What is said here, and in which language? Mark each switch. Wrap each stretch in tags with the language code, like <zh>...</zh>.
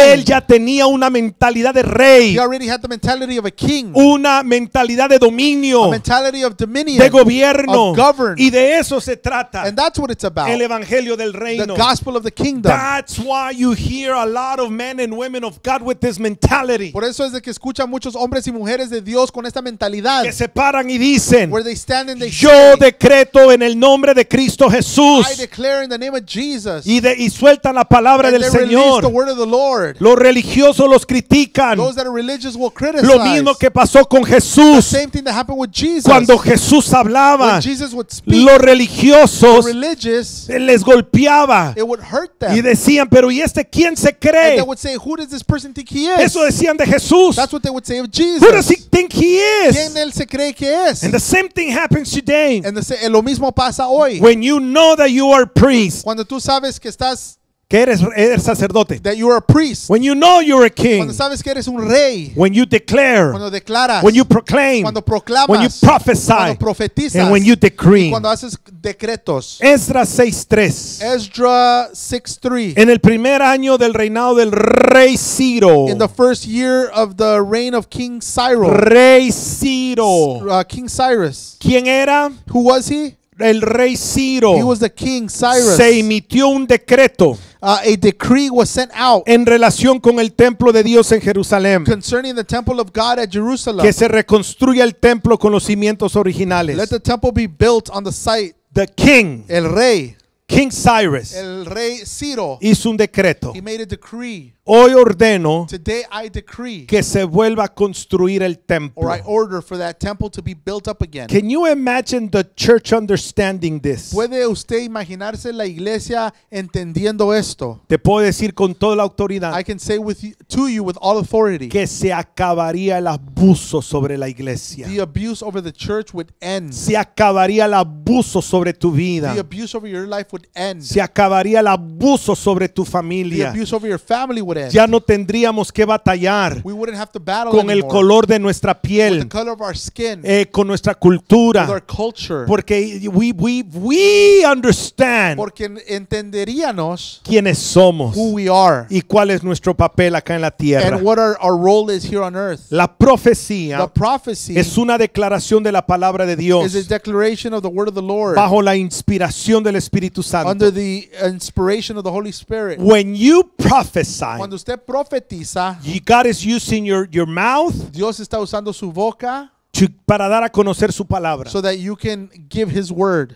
<es>Él ya tenía una mentalidad de rey.</es> <en>He already had the mentality of a king.</en> <es>Una mentalidad de dominio.</es> <en>A mentality of dominion.</en> <es>De gobierno.</es> <en>Of govern.</en> <es>Y de eso se trata.</es> <en>And that's what it's about.</en> <es>El evangelio del reino.</es> <en>The gospel of the kingdom. That's why you hear a lot of men and women of God with this mentality.</en> <es>Por eso es de que escucha muchos hombres y mujeres de Dios con esta mentalidad. Que se paran y dicen,</es> <en>where they stand and they</en> <es>yo</es> <en>say,</en> <es>decreto en el nombre de Cristo Jesús,</es> <en>I declare in the name of Jesus,</en> <es>y sueltan la palabra del Señor.</es> <en>The word of the Lord.</en> <es>Los religiosos los critican.</es> <en>Those that are religious will criticize.</en> <es>Lo mismo que pasó con Jesús.</es> <en>The same thing that happened with Jesus.</en> <es>Cuando Jesús hablaba,</es> <en>when Jesus would speak,</en> <es>los religiosos</es> <en>the religious,</en> <es>les golpeaba.</es> <en>It would hurt them.</en> <es>Y decían, pero ¿y este quién se cree?</es> <en>And they would say, who does this person think he is?</en> <es>Eso decían de Jesús.</es> <en>That's what they would say of Jesus. Who does he think he is?</en> <es>Él se cree que es.</es> <en>And the same thing happens today.</en> <es>Lo mismo pasa hoy.</es> <en>When you know that you are a priest.</en> <es>Cuando tú sabes que estás, que eres sacerdote.</es> <en>That you are a priest. When you know you're a king.</en> <es>Cuando sabes que eres un rey.</es> <en>When you declare.</en> <es>Cuando declaras.</es> <en>When you proclaim.</en> <es>Cuando proclamas.</es> <en>When you prophesy.</en> <es>Cuando profetizas.</es> <en>And when you decree.</en> <es>Cuando haces decretos. Esdras 6:3. Esdras 6:3. En el primer año del reinado del rey Ciro.</es> <en>In the first year of the reign of King Cyrus.</en> <es>Rey Ciro.</es> <en>King Cyrus.</en> <es>¿Quién era?</es> <en>Who was he?</en> <es>El rey Ciro.</es> <en>He was the king Cyrus.</en> <es>Se emitió un decreto.</es> <en>A decree was sent out</en> <es>en relación con el templo de Dios en Jerusalén.</es> <en>Concerning the temple of God at Jerusalem.</en> <es>Que se reconstruya el templo con los cimientos originales.</es> <en>Let the temple be built on the site. The king.</en> <es>El rey.</es> <en>King Cyrus.</en> <es>El rey Ciro. Hizo un decreto.</es> <en>He made a decree.</en> <es>Hoy ordeno.</es> <en>Today I decree.</en> <es>Que se vuelva a construir el templo.</es> <en>Or I order for that temple to be built up again. Can you imagine the church understanding this?</en> <es>¿Puede usted imaginarse la iglesia entendiendo esto? Te puedo decir con toda la autoridad.</es> <en>I can say with you, to you with all authority.</en> <es>Que se acabaría el abuso sobre la iglesia.</es> <en>The abuse over the church would end.</en> <es>Se acabaría el abuso sobre tu vida.</es> <en>The abuse over your life would end.</en> <es>Se acabaría el abuso sobre tu familia.</es> <en>The abuse over your family. would end.</en> <es>Ya no tendríamos que batallar</es> <en>we wouldn't have to battle</en> <es>con el color de nuestra piel,</es> <en>with the color of our skin,</en> <es>con nuestra cultura,</es> <en>with our culture,</en> <es>porque</es> <en>we understand</en> <es>porque entenderíamos quiénes somos,</es> <en>who we are,</en> <es>y cuál es nuestro papel acá en la tierra,</es> <en>and what our role is here on earth.</en> <es>La profecía,</es> <en>the prophecy,</en> <es>es una declaración de la palabra de Dios,</es> <en>is a declaration of the word of the Lord,</en> <es>bajo la inspiración del Espíritu Santo,</es> <en>under the inspiration of the Holy Spirit. When you prophesy,</en> <es>cuando usted profetiza,</es> <en>God is using your mouth,</en> <es>Dios está usando su boca, para dar a conocer su palabra,</es> <en>so that you can give his word.</en>